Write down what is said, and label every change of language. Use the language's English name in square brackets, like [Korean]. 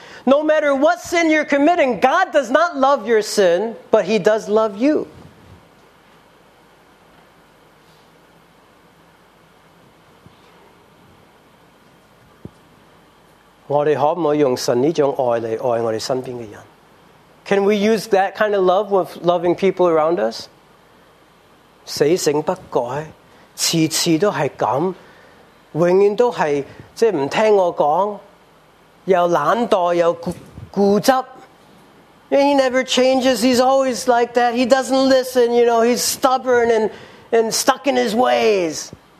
[English] No matter what sin you're committing, God does not love your sin, but he does love you. [Chinese] 我们可不可以用神这种爱来爱我们身边的人？ [English] Can we use that kind of love with loving people around us? [Chinese] 死性不改，次次都是这样，永远都是即不听我讲，又懒惰又固执。 [English] And he never changes, he's always like that, he doesn't listen, you know, he's stubborn and stuck in his ways.